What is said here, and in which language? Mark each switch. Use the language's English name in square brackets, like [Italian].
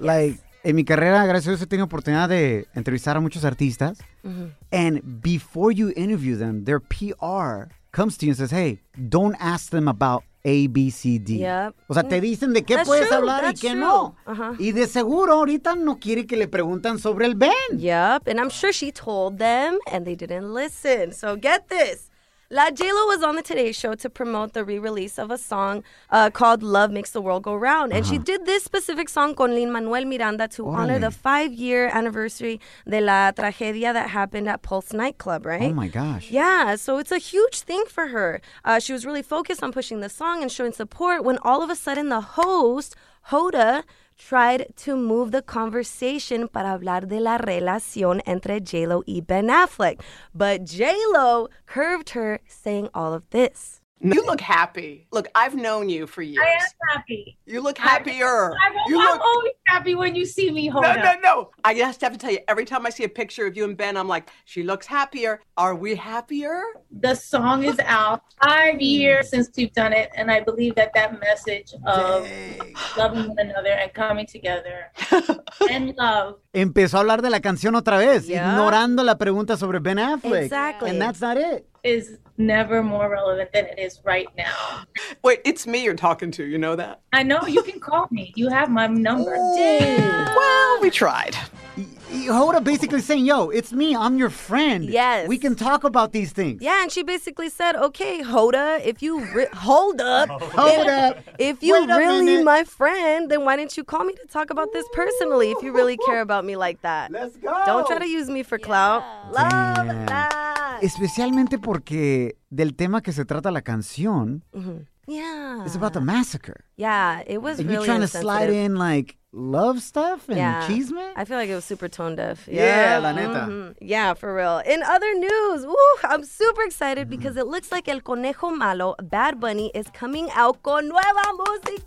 [Spanish] Like, en mi carrera, gracias a Dios, he tenido oportunidad de entrevistar a muchos artistas. Mm-hmm. [English] And before you interview them, their PR comes to you and says, hey, don't ask them about A, B, C, D. Yep. [Spanish] O sea, te dicen de qué [English] that's [Spanish] puedes [English] true, [Spanish] hablar y qué [English] true. No. Uh-huh. [Spanish] Y de seguro ahorita no quiere que le preguntan sobre el Ben. [English] Yep, and I'm sure she told them and they didn't listen. So get this. La J-Lo was on the Today Show to promote the re-release of a song called Love Makes the World Go Round. And she did this specific song con Lin-Manuel Miranda to honor the 5-year anniversary [Spanish] de la tragedia [English] that happened at Pulse Nightclub, right? Oh my gosh. Yeah, so it's a huge thing for her. She was really focused on pushing the song and showing support when all of a sudden the host, Hoda, tried to move the conversation [Spanish] para hablar de la relación entre J-Lo y Ben Affleck. [English] But J-Lo curved her saying all of this. You look happy. Look, I've known you for years. I am happy. You look happier. I'm always happy when you see me, Hoda. No. I just have to tell you, every time I see a picture of you and Ben, I'm like, she looks happier. Are we happier? The song is out. 5 years since we've done it. And I believe that that message of loving one another and coming together and love. [Spanish] Empezó a hablar de la canción otra vez, ignorando la pregunta sobre Ben Affleck. [English] Exactly. And that's not it. Is never more relevant than it is right now. Wait, it's me you're talking to, you know that? I know, you can call me. You have my number. Damn. Well, we tried. Hoda basically saying, yo, it's me. I'm your friend. Yes. We can talk about these things. Yeah, and she basically said, okay, Hoda, if you... Hold up. Hold up. If you're really my friend, then why didn't you call me to talk about this personally if you really care about me like that? Let's go. Don't try to use me for clout. Yeah. Love that. [Spanish] Especialmente porque del tema que se trata la canción... Mm-hmm. Yeah. [English] It's about the massacre. Yeah, it was and really you're trying to slide in like... love stuff and cheeseman? I feel like it was super tone deaf. Yeah, [Spanish] la neta. Mm-hmm. [English] Yeah, for real. In other news, I'm super excited because it looks like El Conejo Malo, Bad Bunny, is coming out [Spanish] con nueva música.